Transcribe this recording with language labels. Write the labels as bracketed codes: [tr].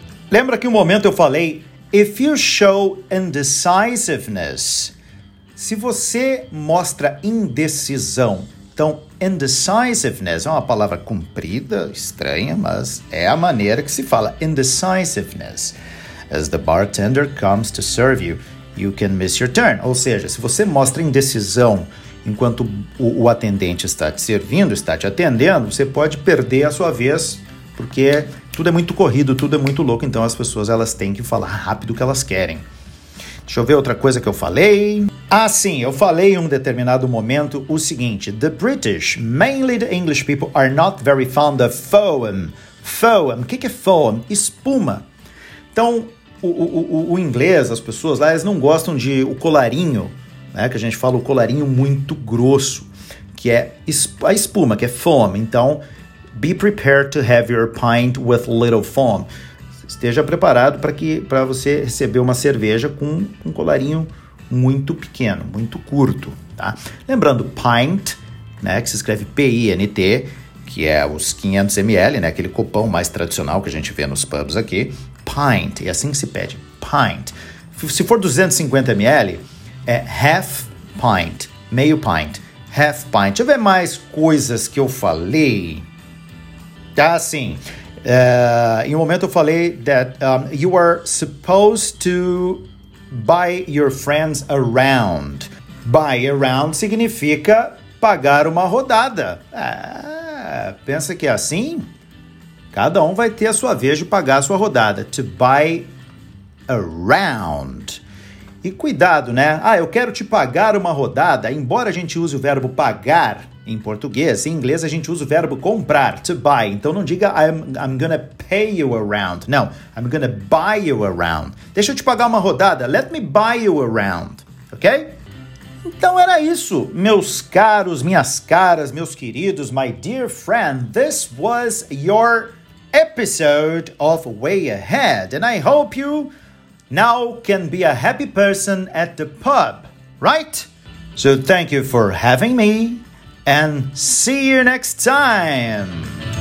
[pt] Lembra que um momento eu falei, [en] if you show indecisiveness. [pt] Se você mostra indecisão, então indecisiveness é uma palavra comprida, estranha, mas é a maneira que se fala indecisiveness. [en] As the bartender comes to serve you, you can miss your turn. [pt] Ou seja, se você mostra indecisão enquanto o atendente está te servindo, está te atendendo, você pode perder a sua vez, porque tudo é muito corrido, tudo é muito louco, então as pessoas elas têm que falar rápido o que elas querem. Deixa eu ver outra coisa que eu falei. Ah, sim, eu falei em um determinado momento o seguinte: [en] The British, mainly the English people, are not very fond of foam. [pt] Foam, o que é foam? Espuma. Então, o inglês, as pessoas lá, elas não gostam de o colarinho, né? Que a gente fala o colarinho muito grosso, que é a espuma, que é foam. Então, [en] be prepared to have your pint with little foam. [pt] Esteja preparado para você receber uma cerveja com um colarinho muito pequeno, muito curto, tá? Lembrando, pint, né? Que se escreve P-I-N-T, que é os 500ml, né? Aquele copão mais tradicional que a gente vê nos pubs aqui. Pint, é assim que se pede, pint. Se for 250ml, é half pint, meio pint, half pint. Deixa eu ver mais coisas que eu falei. Ah, sim. Em um momento eu falei [en] that you are supposed to buy your friends around. [pt] Buy around significa pagar uma rodada. Pensa que é assim? Cada um vai ter a sua vez de pagar a sua rodada. [en] To buy around. [pt] E cuidado, né? Ah, eu quero te pagar uma rodada. Embora a gente use o verbo pagar, em português. Em inglês, a gente usa o verbo comprar, to buy. Então, não diga [en] I'm gonna pay you around. [pt] Não, [en] I'm gonna buy you around. [pt] Deixa eu te pagar uma rodada. [en] Let me buy you around, ok? [pt] Então, era isso, meus caros, minhas caras, meus queridos, [en] my dear friend. This was your episode of Way Ahead. And I hope you now can be a happy person at the pub, right? So thank you for having me, and see you next time!